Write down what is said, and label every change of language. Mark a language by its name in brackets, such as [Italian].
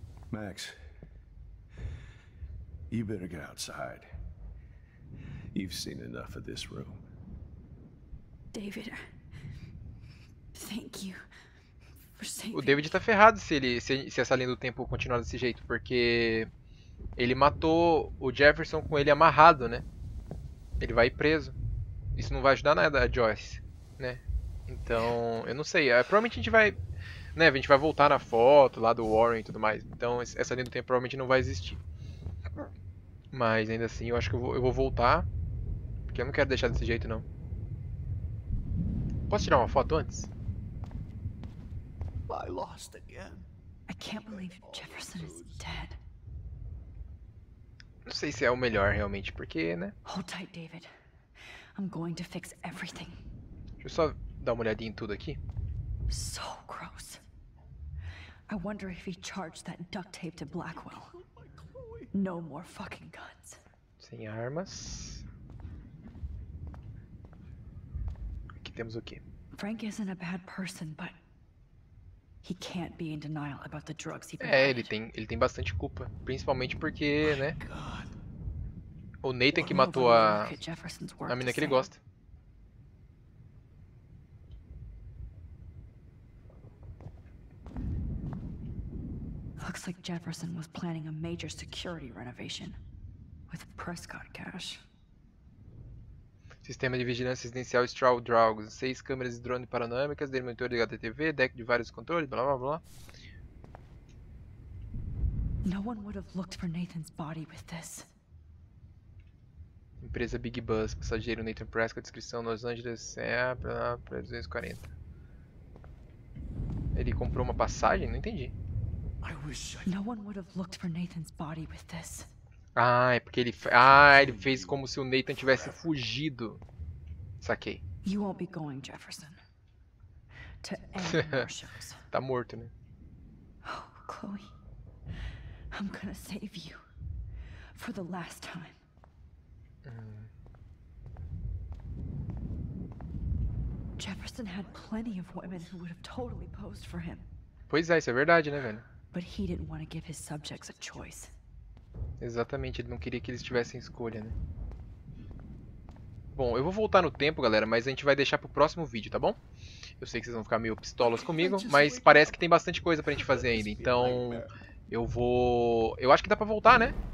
[English] Max, you better get outside. You've seen enough of this room. David, thank you for saving. [Portuguese] O David tá ferrado se essa linha do tempo continuar desse jeito, porque ele matou o Jefferson com ele amarrado, né? Ele vai ir preso. Isso não vai ajudar nada a Joyce, né? Então, eu não sei. Provavelmente a gente vai, né? A gente vai voltar na foto lá do Warren e tudo mais. Então, essa linha do tempo provavelmente não vai existir. Mas, ainda assim, eu acho que eu vou voltar. Porque eu não quero deixar desse jeito, não. Posso tirar uma foto antes? [English] I lost again. I can't believe Jefferson is dead. [Portuguese] Não sei se é o melhor realmente, porque, né? [English] Hold tight, David. I'm going to fix everything. [Portuguese] Deixa eu só dar uma olhadinha em tudo aqui. [English] So gross. I wonder if he charged that duct tape to Blackwell. No more fucking guns. [Portuguese] Sem armas. Aqui temos o quê? [English] Frank isn't a bad person, but he can't be in denial about the drugs he bought. [Portuguese] É, ele tem bastante culpa, principalmente porque, né? O Nathan que matou a menina que ele gosta. [English] Looks like Jefferson was planning a major security renovation with Prescott cash. [Portuguese] Sistema de vigilância residencial Straw Drugs. 6 câmeras e drone panorâmicas, monitor de HDTV, deck de vários controles, blá blá blá. [English] No one would have looked for Nathan's body with this. [Portuguese] Empresa Big Bus, passageiro Nathan Prescott, descrição Los Angeles, é pra 240. Ele comprou uma passagem? Não entendi. [English] No one would have looked for Nathan's body with this. [Portuguese] Ah, é porque ele fez como se o Nathan tivesse fugido. Saquei. [English] You won't be going, Jefferson. To end your shows. [Portuguese] Tá morto, né? [English] Oh, Chloe. I'm gonna save you. For the last time. Jefferson had plenty of women who would have totally posed for him. [Portuguese] Pois é, isso é verdade, né, velho? [English] But he didn't want to give his subjects a choice. [Portuguese] Exatamente, ele não queria que eles tivessem escolha, né? Bom, eu vou voltar no tempo, galera, mas a gente vai deixar pro próximo vídeo, tá bom? Eu sei que vocês vão ficar meio pistolas comigo, mas parece que tem bastante coisa pra gente fazer ainda. Então, eu acho que dá pra voltar, né?